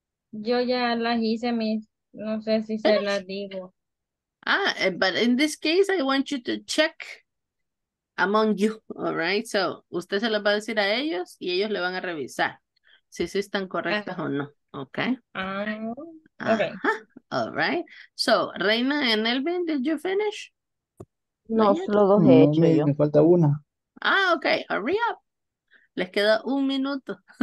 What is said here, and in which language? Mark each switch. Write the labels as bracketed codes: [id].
[es] Yo ya las hice, mis, no sé si se las digo. [en] Ah, but in this case, I want you to check among you, all right? [es] So, usted se las va a decir a ellos y ellos le van a revisar si sí están correctas o no, okay? [en] Okay. All right. So, Reina and Elvin, did you finish? [es] No, no solo dos he hecho yo. Me falta una. [en] Ah, okay, hurry up. [es] Les queda un minuto.